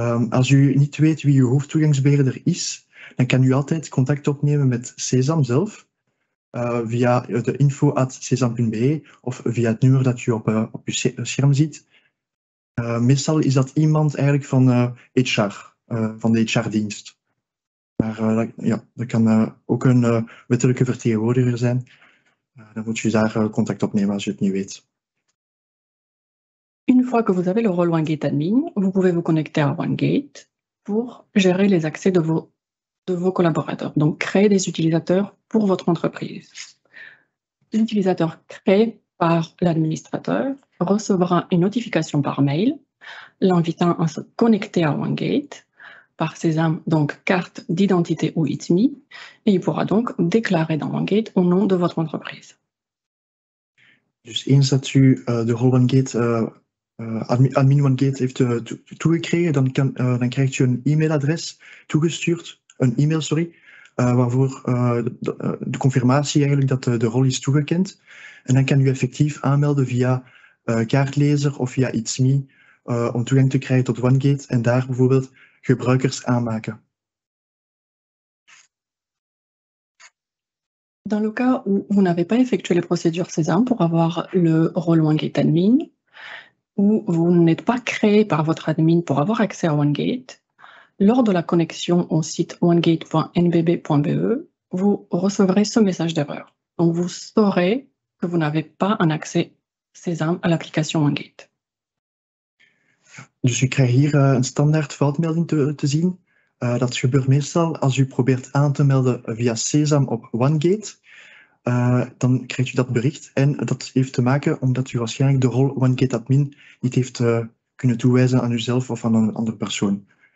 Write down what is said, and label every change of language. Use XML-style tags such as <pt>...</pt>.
<nl>Als u niet weet wie uw hoofdtoegangsbeheerder is, dan kan u altijd contact opnemen met Sésame zelf via de info@sesam.be of via het nummer dat u op uw scherm ziet. Meestal is dat iemand eigenlijk van HR. Van de HR-dienst. Maar dat kan ook een wettelijke vertegenwoordiger zijn. Dan moet je daar contact opnemen als je het niet weet.</nl> <fr>Une fois que vous avez le rôle OneGate Admin, vous pouvez vous connecter à OneGate pour gérer les accès de vos collaborateurs, donc créer des utilisateurs pour votre entreprise. L'utilisateur créé par l'administrateur recevra une notification par mail l'invitant à se connecter à OneGate par Sésame, donc carte d'identité ou ITMI, et il pourra donc déclarer dans OneGate au nom de votre entreprise.</fr> <nl>Dus eens dat u de rol OneGate, admin OneGate heeft toegekregen, dan krijgt u een e-mailadres toegestuurd, een e-mail, sorry, waarvoor de confirmatie eigenlijk dat de rol is toegekend. En dan kan u effectief aanmelden via kaartlezer of via It's Me om toegang te krijgen tot OneGate en daar bijvoorbeeld gebruikers aanmaken.</nl> <fr>Dans le cas où vous n'avez pas effectué les procédures CESAM pour avoir le rôle OneGate Admin, ou vous n'êtes pas créé par votre admin pour avoir accès à OneGate, lors de la connexion au site onegate.nbb.be, vous recevrez ce message d'erreur. Donc vous saurez que vous n'avez pas un accès CESAM à l'application OneGate.</fr> <nl>Dus je krijgt hier een standaard foutmelding te zien. Dat gebeurt meestal als u probeert aan te melden via CESAM op OneGate. Dan krijgt u dat bericht en dat heeft te maken omdat u waarschijnlijk de rol OneGate Admin niet heeft kunnen toewijzen aan uzelf of aan een andere persoon.</nl>